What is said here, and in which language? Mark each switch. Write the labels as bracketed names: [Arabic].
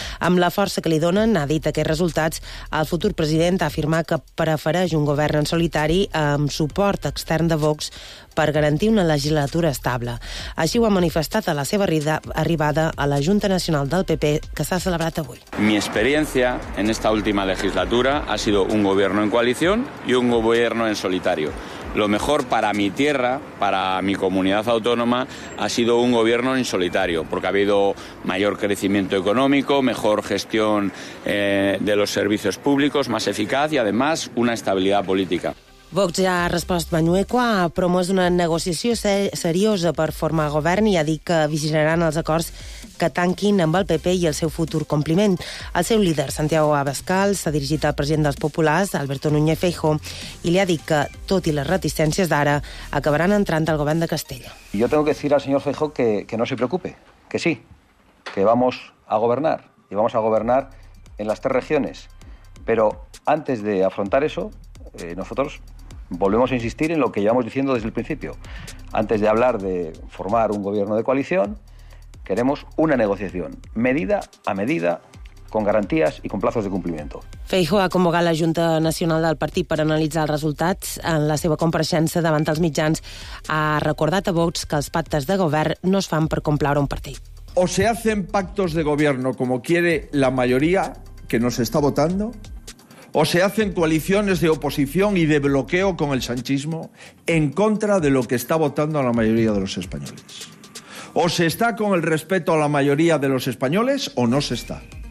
[Catalan] Amb la força que li donen, ha dit aquests resultats, el futur president ha afirmat que prefereix un govern en solitari amb suport extern de Vox per garantir una legislatura estable. Així ho ha manifestat a la seva arribada a la Junta Nacional del PP, que s'ha celebrat avui. [Spanish] Mi experiencia en esta última legislatura ha sido un gobierno en coalición y un gobierno en solitario. Lo mejor para mi tierra, para mi comunidad autónoma, ha sido un gobierno en solitario, porque ha habido mayor crecimiento económico, mejor gestión de los servicios públicos, más eficaz y además una estabilidad política. [Catalan] Vox ja ha respost Mañueco, ha promès una negociació seriosa per formar govern i ha dit que vigilaran els acords que tanquin amb el PP i el seu futur compliment. El seu líder, Santiago Abascal, s'ha dirigit al president dels populars, Alberto Núñez Feijóo, i li ha dit que, tot i les reticències d'ara, acabaran entrant al govern de Castella. [Spanish] Yo tengo que decir al señor Feijóo que no se preocupe, que sí, que vamos a gobernar, y vamos a gobernar en las 3 regiones. Pero antes de afrontar eso, nosotros volvemos a insistir en lo que llevamos diciendo desde el principio. Antes de hablar de formar un gobierno de coalición, queremos una negociación, medida a medida, con [Catalan] garanties i [Spanish] con plazos de [Catalan] compliment. Feijóo ha convocat la Junta Nacional del Partit per analitzar els resultats. En la seva compareixença davant dels mitjans ha recordat a Vox que els pactes de govern no es fan per complaure un partit. [Spanish] O se hacen pactos de gobierno como quiere la mayoría que nos está votando, o se hacen coaliciones de oposición y de bloqueo con el sanchismo en contra de lo que está votando la mayoría de los españoles. O se está con el respeto a la mayoría de los españoles o no se está.